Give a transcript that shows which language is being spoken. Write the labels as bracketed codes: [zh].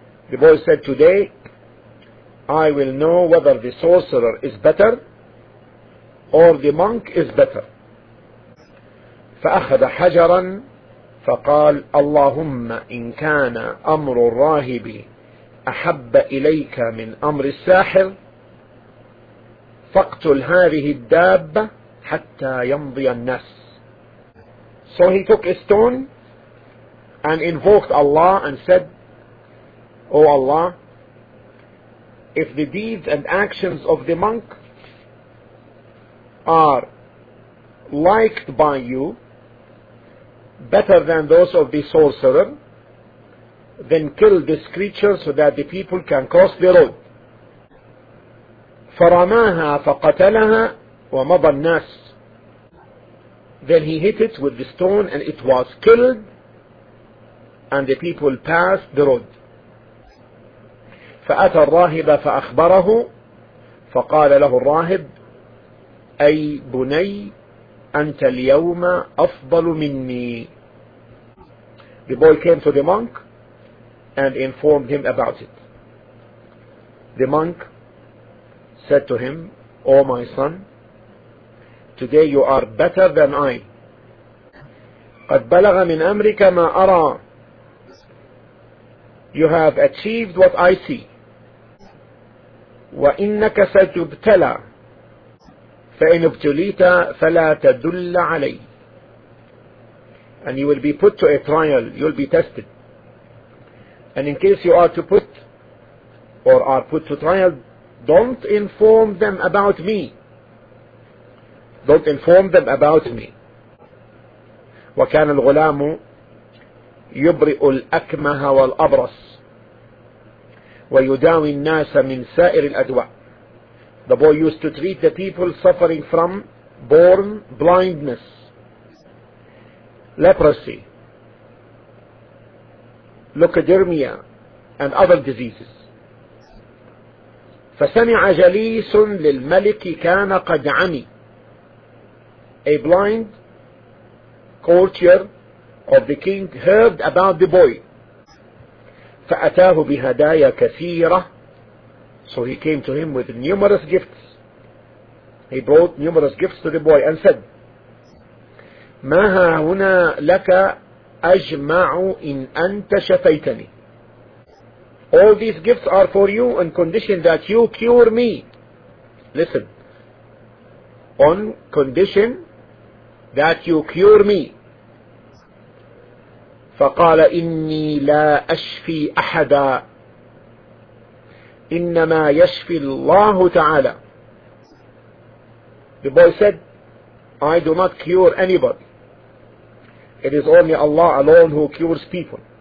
[en] The boy said, today I will know whether the sorcerer is better or the monk is better. [ar] فأخذ حجرا فقال اللهم إن كان أمر الراهب أحب إليك من أمر الساحر فاقتل هذه الدابة حتى يمضي الناس. [en] So he took a stone and invoked Allah and said, O Allah, if the deeds and actions of the monk are liked by you better than those of the sorcerer, then kill this creature so that the people can cross the road. [ar] فَرَمَاهَا فَقَتَلَهَا وَمَضَى النَّاسِ. [en] Then he hit it with the stone and it was killed, and the people passed the road. [ar] فأتى الراهب فأخبره فقال له الراهب أي بني أنت اليوم أفضل مني. [en] The boy came to the monk and informed him about it. The monk said to him, Oh my son, today you are better than I. [ar] قد بلغ من أمرك ما أرى. [en] You have achieved what I see. [ar] وإنك ستبتلى. فإن ابتليت فلا تدل علي. [en] And you will be put to a trial. You will be tested. And in case you are to put or are put to trial, don't inform them about me. Don't inform them about me. [ar] وكان الغلام يبرئ الأكمه والأبرص ويداوي الناس من سائر الأدواء. [en] The boy used to treat the people suffering from born blindness, leprosy, leukodermia, and other diseases. [ar] فسمع جليس للملك كان قد عمي. [en] A blind courtier of the king heard about the boy. [ar] فأتاه بهدايا كثيرة. [en] So he came to him with numerous gifts. He brought numerous gifts to the boy and said, [ar] ما ها هنا لك أجمع إن أنت شفيتني. [en] All these gifts are for you on condition that you cure me. Listen. On condition that you cure me. [ar] فقال إني لا أشفي أحدا إنما يشفي الله تعالى. [en] The boy said, I do not cure anybody. It is only Allah alone who cures people.